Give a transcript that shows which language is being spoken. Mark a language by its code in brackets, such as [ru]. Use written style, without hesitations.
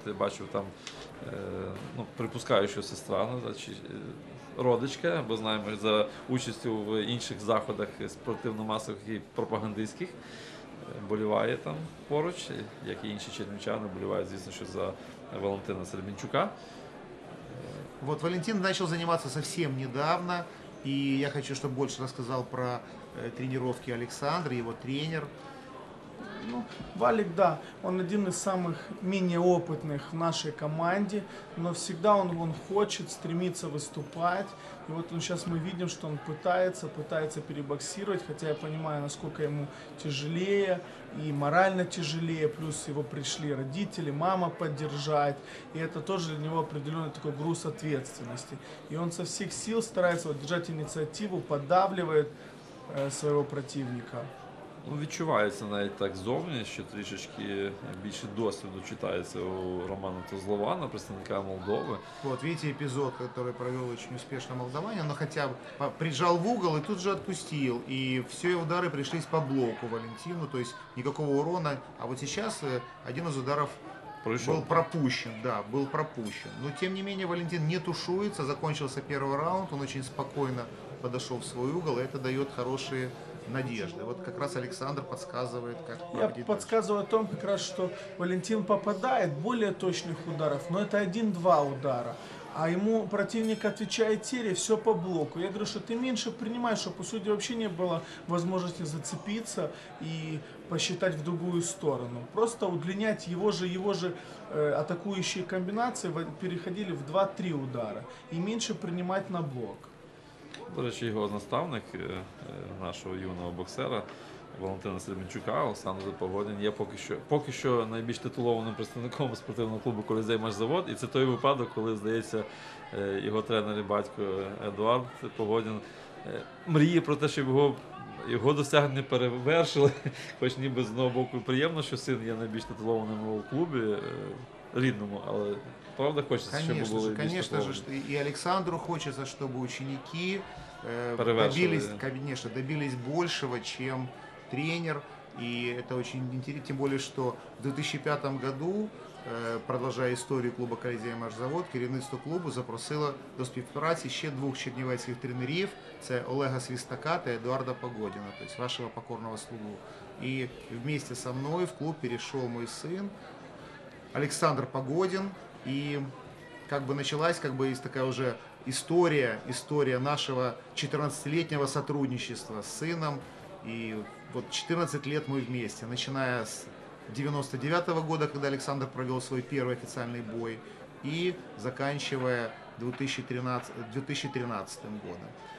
[uk] Я бачив там, ну, припускаю, що сестра, родичка, бо знаємо, за участю в інших заходах спортивно-масових і пропагандистських. Боліває там поруч, як і інші чернівчани, боліває, звісно, що за Валентина Сербінчука. [ru] Вот Валентин начал заниматься совсем недавно, и я хочу, чтобы больше рассказал про тренировки Александра, его тренер. Ну, Валик, да, он один из самых менее опытных в нашей команде, но всегда он хочет, стремится выступать. И вот он, сейчас мы видим, что он пытается перебоксировать, хотя я понимаю, насколько ему тяжелее и морально тяжелее, плюс его пришли родители, мама поддержать, и это тоже для него определенный такой груз ответственности. И он со всех сил старается держать инициативу, подавливает своего противника. [uk] Ну, відчувається навіть так зовні, що трішечки більше досвіду читається у Романа Тозлована, представника Молдови. От, видите, епізод, який провів дуже успішно молдаванин, але хоча б прижав в угол і тут же відпустив. І всі удари прийшлись по блоку Валентину, тобто ніякого урона. А от зараз один із ударів пройшов. Був пропущен. Но, тим не менше, Валентин не тушується, закінчився перший раунд, він дуже спокійно подійшов в свій угол, і це дає хороші надежды. [ru] Вот как раз Александр подсказывает, как победить. Я подсказываю о том, как раз, что Валентин попадает более точных ударов, но это 1-2 удара. А ему противник отвечает тире, все по блоку. Я говорю, что ты меньше принимаешь, что по сути вообще не было возможности зацепиться и посчитать в другую сторону. Просто удлинять его же атакующие комбинации переходили в 2-3 удара. И меньше принимать на блок. [uk] До речі, його наставник, нашого юного боксера Валентина Сербінчука, Олександр Погодин, є поки що найбільш титулованим представником спортивного клубу «Колізей Машзавод». І це той випадок, коли, здається, його тренер і батько Едуард Погодин мріє про те, щоб його досягнення перевершили. Хоч ніби, з одного боку, приємно, що син є найбільш титулованим у клубі рідному, але правда хочеться, [ru] конечно, [uk] щоб були. Звісно ж, і Олександру хочеться, щоб ученики добились, [ru] конечно, добились большего, чем тренер. И это очень интересно. Тем более, что в 2005 году, продолжая историю клуба «Колизей Машзавод», [uk] керівництво клубу запросило до співпраці ще двух чернівецьких тренерів. Це Олега Свістака та Едуарда Погодина, [ru] то есть [uk] вашого покорного слугу. І [ru] вместе со мною [uk] в клуб перейшов мой син Олександр Погодин. І [ru] как бы началась, как бы, [uk] із така вже [ru] история нашего 14-летнего сотрудничества с сыном. И вот 14 лет мы вместе, начиная с 99 года, когда Александр провел свой первый официальный бой, и заканчивая 2013 годом.